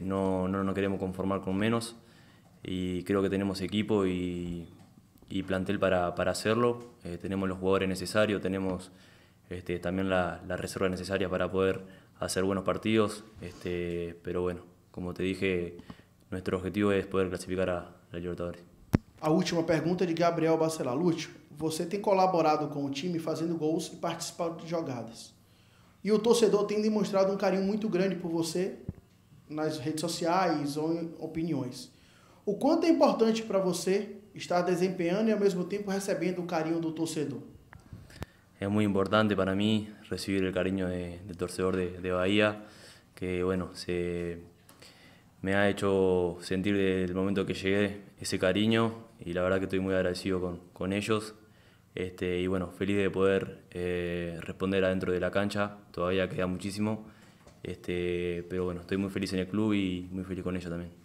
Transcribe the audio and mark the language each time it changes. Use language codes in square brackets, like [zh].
[es] No nos queremos conformar con menos. Y creo que tenemos equipo y plantel para hacerlo. Tenemos los jugadores necesarios, tenemos también la reserva necesaria para poder hacer buenos partidos. Pero bueno. Como te dije, nuestro objetivo es poder clasificar a la Libertadores. [pt] A última pergunta de Gabriel Bacelar. Lúcio, você tem colaborado com o time fazendo gols e participando de jogadas. E o torcedor tem demonstrado um carinho muito grande por você nas redes sociais ou em opiniões. O quanto é importante para você estar desempenhando e ao mesmo tempo recebendo o carinho do torcedor? É muito importante para mim receber o carinho do torcedor de Bahia, que, [es] bueno, se... me ha hecho sentir desde el momento que llegué ese cariño y la verdad que estoy muy agradecido con ellos. Y bueno, feliz de poder responder adentro de la cancha, todavía queda muchísimo. Pero bueno, estoy muy feliz en el club y muy feliz con ellos también.